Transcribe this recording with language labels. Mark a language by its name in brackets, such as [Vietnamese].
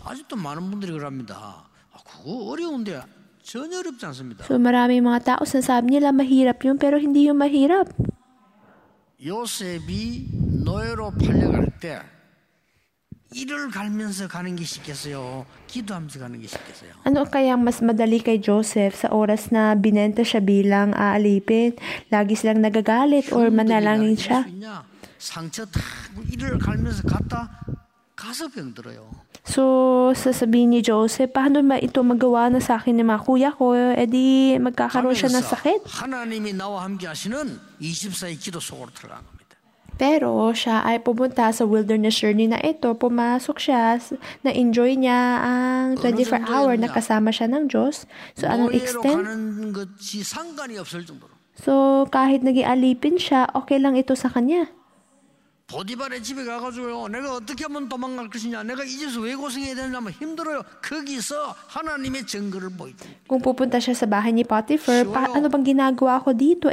[Korean] 아직도 많은 분들이 그럽니다. 그거 어려운데 전혀 어렵지 않습니다. [Filipino] So maraming mga tao sinasabi nila mahirap yun pero hindi yung mahirap. [Korean] 요셉이 노예로 팔려갈 때 이를 갈면서 가는 게 쉽겠어요? 기도하면서 가는 게 쉽겠어요? 아니, 그러니까 [Filipino] mas madali kay Joseph sa oras na binenta siya bilang aalipin, lagi silang nagagalit or manalangin siya. [Korean] 상처 다 이를 갈면서 갔다 가서병 들어요. [Filipino] So, sasabihin ni Joseph, paano ba ito magawa na sa akin ni mga kuya ko? E di, magkakaroon siya ng sakit. [Korean] 하나님이 나와 함께 하시는 24의 기도 속으로 들어간 겁니다. [Filipino] Pero, siya ay pumunta sa wilderness journey na ito. Pumasok siya, na-enjoy niya ang 24 hour na kasama siya ng Diyos. So, anong extent? [Korean] 노예로 가는 것이 상관이 없을 정도로. [Filipino] So, kahit naging alipin siya, okay lang ito sa kanya. [Korean] 보디발의 집에 가가지고요. 내가 어떻게 하면 도망갈 것이냐. 내가 이제서 왜 고생해야 되냐 하면 힘들어요. 거기서 하나님의 증거를 보이지. 그럼 [Filipino] pupunta siya sa bahay ni Potiphar. Ano bang ginagawa ko dito?